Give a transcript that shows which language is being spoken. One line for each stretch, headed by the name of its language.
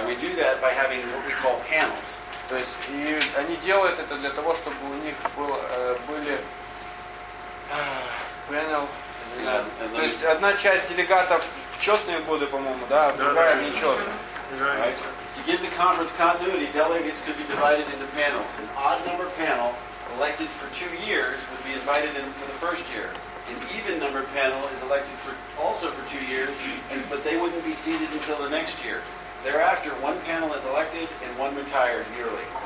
English: And we do that by having what we call panels.
Russian: То есть и они делают это для того, чтобы у них было были panel. То есть одна часть делегатов в четные годы, по-моему, да, другая нечетная.
English: Right. To give the conference continuity, delegates could be divided into panels. An odd number panel elected for 2 years would be invited in for the first year. An even number panel is elected for also for 2 years, but they wouldn't be seated until the next year. Thereafter, one panel is elected and one retired yearly.